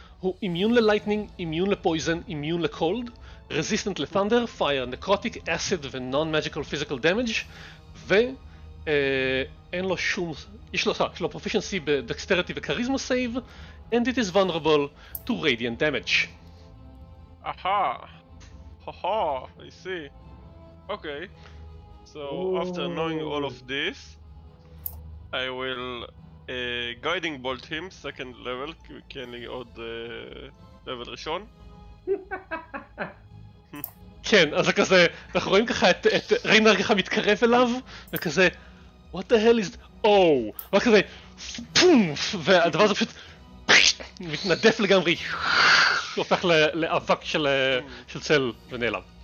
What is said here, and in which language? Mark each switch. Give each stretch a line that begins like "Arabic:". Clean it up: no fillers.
Hebrew: הוא אימיון ללייטנינג, אימיון לפויזן, אימיון לקולד.
English: Resistant לThunder, Fire, Necrotic, Acid ו-Non-Magical Physical Damage
Hebrew: ואין לו שום... יש לו
English: Proficiency ב-Dexterity ו-Charisma Save and it is vulnerable to Radiant Damage. אהה! הו-הו! I see. אוקיי. So, after knowing all of this I will Guiding Bolt him, second level
Hebrew: כי אין לי עוד
English: level ראשון.
Hebrew: כן, אז זה כזה, אנחנו רואים ככה את ריינר ככה מתקרב אליו וכזה
English: What the hell is... Oh!
Hebrew: רק כזה פומפ! והדבר הזה פשוט מתנדף לגמרי הופך לאבק של צל ונעלם.